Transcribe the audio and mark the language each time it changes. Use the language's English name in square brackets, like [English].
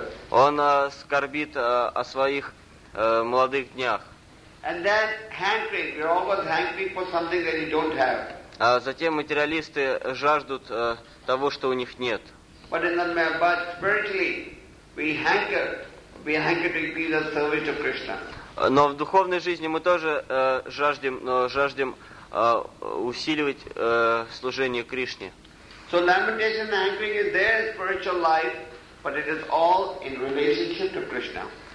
[Russian] Он скорбит о своих молодых днях. [English] And then hankering, we're always hankering for something that you don't have. [Russian] А затем материалисты жаждут того, что у них нет. [English] But spiritually, we hanker to be the servant of Krishna. [Russian] Но в духовной жизни мы тоже жаждем усиливать служение Кришне. [English] So lamentation and hankering is there in spiritual life, but it is all in relationship to Krishna.